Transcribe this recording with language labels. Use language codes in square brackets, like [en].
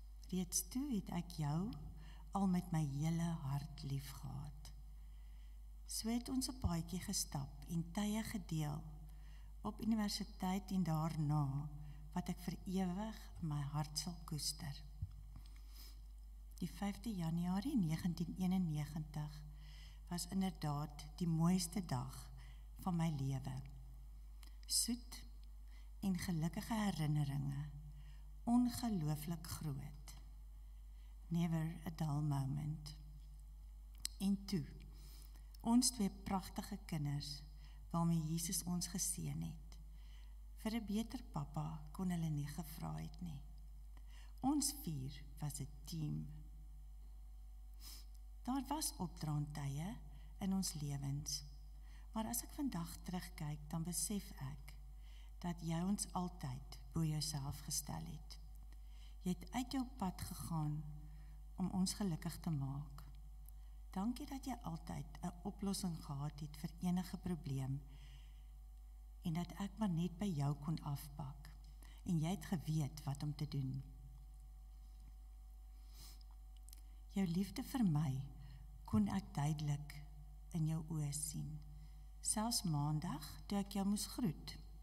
[af] Reeds toe het ek jou al met my hele hart lief gehad. So het ons 'n paadjie gestap en tye gedeel op universiteit en daarna wat ek vir ewig my hart sal koester. Die 5de Januarie 1991 was inderdaad die mooiste dag van my lewe. Soet en gelukkige herinneringe, ongelooflik groot. [en] Never a dull moment. [af] En toe, ons twee pragtige kinders, waarmee Jesus ons geseën het, vir 'n beter papa kon hulle nie gevra het nie. Ons vier was 'n team. Daar was opdraandtye in ons lewens, maar as ek vandag terugkyk, dan besef ek, dat jy ons altyd bo jouself gestel het. Jy het uit jou pad gegaan, om ons gelukkig te maak. Dankie dat jy altyd 'n oplossing gehad het vir enige probleem en dat ek maar net by jou kon afpak en jy het geweet wat om te doen. Jou liefde vir my kon ek duidelik in jou oë sien, selfs maandag toe ek jou moes groet.